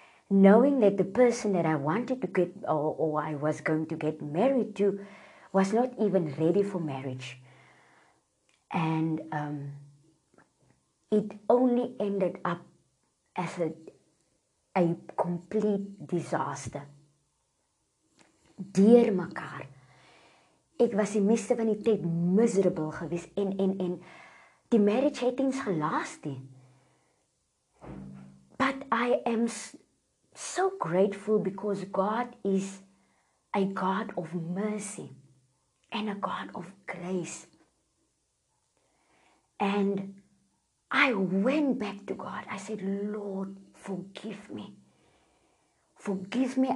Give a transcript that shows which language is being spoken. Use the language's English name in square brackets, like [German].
[English] Knowing that the person that I wanted to get, or I was going to get married to, was not even ready for marriage. And it only ended up as a complete disaster. [Afrikaans] Deur mekaar. Ek was die meeste van die tyd miserable gewees en die marriage het eens gelaast nie. [English] But I am so grateful because God is a God of mercy and a God of grace. And I went back to God. I said, Lord, forgive me. Forgive me.